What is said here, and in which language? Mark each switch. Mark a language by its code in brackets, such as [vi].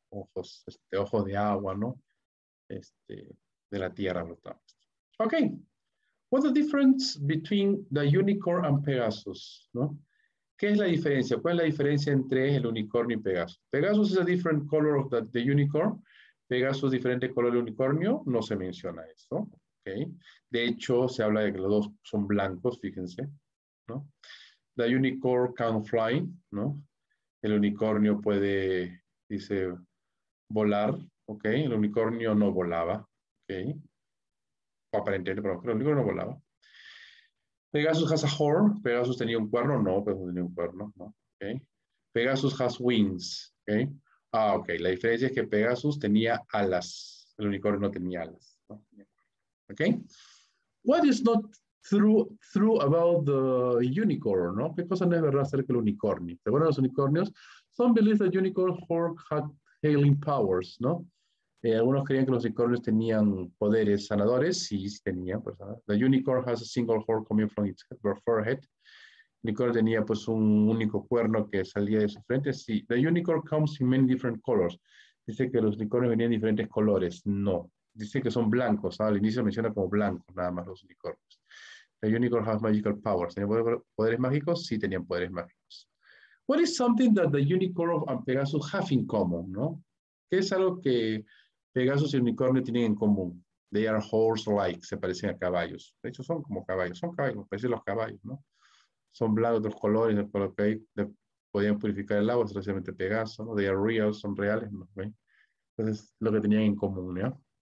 [es] Ojos de agua, ¿no? De la tierra brotamos. Okay. [en] What's the difference between the unicorn and Pegasus, ¿no? [es] ¿Qué es la diferencia? ¿Cuál es la diferencia entre el unicornio y Pegasus? [en] Pegasus is a different color of the unicorn. [es] Pegasus diferente color de unicornio, no se menciona eso, ¿okay? De hecho, se habla de que los dos son blancos, fíjense, ¿no? [en] The unicorn can fly, [es] ¿no? El unicornio puede, dice, volar, ¿okay? El unicornio no volaba. Okay. O aparentemente, pero creo que no volaba. [en] Pegasus has a horn. [es] Pegasus tenía un cuerno. No, Pegasus tenía un cuerno. No. Okay. [en] Pegasus has wings. [es] Okay. Ah, ok. La diferencia es que Pegasus tenía alas. El unicornio no tenía alas, ¿no? Okay. [en] What is not true about the unicorn, [es] ¿no? ¿Qué cosa no es verdad acerca del unicornio? Según los unicornios, [en] some believe that unicorn horn had healing powers, [es] ¿no? Algunos creían que los unicornios tenían poderes sanadores, sí, sí tenían, pues, ¿no? [en] The unicorn has a single horn coming from its forehead. [es] El unicornio tenía, pues, un único cuerno que salía de su frente, sí. [en] The unicorn comes in many different colors. [es] Dice que los unicornios venían en diferentes colores, no. Dice que son blancos, ¿sabes? Al inicio menciona como blancos nada más los unicornios. [en] The unicorn has magical powers. [es] ¿Tenían poderes mágicos? Sí, tenían poderes mágicos. [en] What is something that the unicorn and Pegasus have in common, ¿no? [es] ¿Qué es algo que Pegasus y unicornio tienen en común? [en] They are horse-like, [es] se parecen a caballos. De hecho, son como caballos, son caballos, me parecen los caballos, ¿no? Son blancos, otros colores, de color que hay, podían purificar el agua, especialmente Pegaso, ¿no? [en] They are real, [es] son reales, ¿no? ¿Ve? Entonces, lo que tenían en común, ¿no?